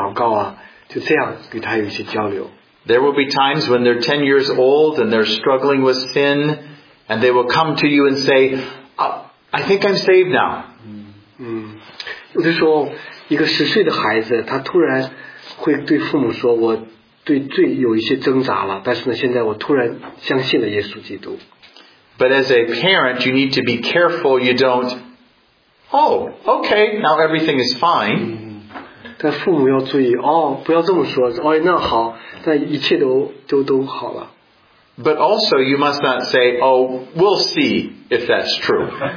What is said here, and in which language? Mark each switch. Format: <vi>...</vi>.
<zh>比如说一个四岁的孩子，他就要睡觉的时候，父母就可以在他旁边躺着，跟他聊一聊，他知不知道这些啊？他是不是认识主啊？跟他一起祷告啊？就这样给他有一些交流。</zh> <en>There will be times when they're 10 years old and they're struggling with sin, and they will come to you and say, I think I'm saved now.</en> <zh>有的时候，一个十岁的孩子，他突然会对父母说，我。对罪有一些挣扎了，但是呢，现在我突然相信了耶稣基督。</zh> <en>But as a parent, you need to be careful you don't. Oh, okay, now everything is fine.</en> <zh>但父母要注意哦，不要这么说。哦，那好，但一切都好了。</zh> <en>But also, you must not say, "Oh, we'll see if that's true."</en>